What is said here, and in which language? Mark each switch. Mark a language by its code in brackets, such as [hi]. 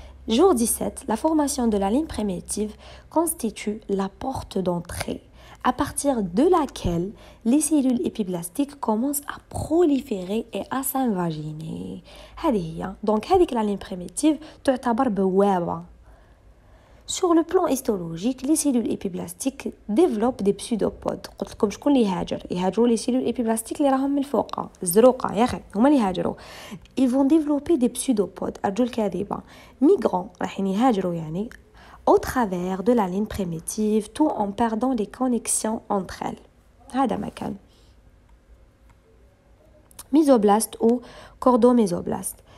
[fr] Jour 17, la formation de la ligne primitive constitue la porte d'entrée à partir de laquelle les cellules épiblastiques commencent à proliférer et à s'invaginer. [ar] هذه هي. [fr] Donc [ar] هذيك [fr] la ligne primitive [ar] تعتبر بوابة. [fr] Sur le plan histologique, les cellules épiblastiques développent des pseudopodes. [ar] قلت لكم شكون اللي هاجر؟ يهاجروا لي سيلول ايبيبلاستيك اللي راهم من الفوق الزروقه. يا اخي هما اللي هاجروا. [fr] Ils vont développer des pseudopodes. [ar] أرجل كاذبة. [fr] Migrants [ar] راحين يهاجروا يعني [fr] au travers de la ligne primitive tout en perdant les connexions entre elles. [ar] هذا مكان. [fr] Mesoblast ou cordomesoblast.